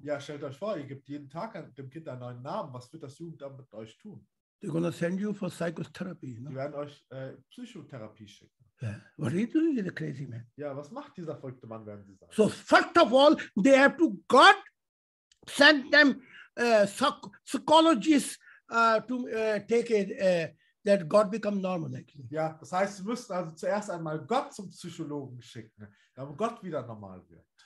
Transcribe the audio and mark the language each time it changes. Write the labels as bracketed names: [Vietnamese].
[German] Ja, stellt euch vor, ihr gebt jeden Tag dem Kind einen neuen Namen. Was wird das Jugendamt mit euch tun? [English] They're gonna send you for psychotherapy. No? [German] Die werden euch Psychotherapie schicken. [English] Yeah. What are you doing, the crazy man? [German] Ja, was macht dieser verrückte Mann, werden sie sagen. [English] So first of all, they have to God send them psychologists to take it that God become normal, actually. [German] Ja, das heißt, sie müssen also zuerst einmal Gott zum Psychologen schicken, damit Gott wieder normal wird.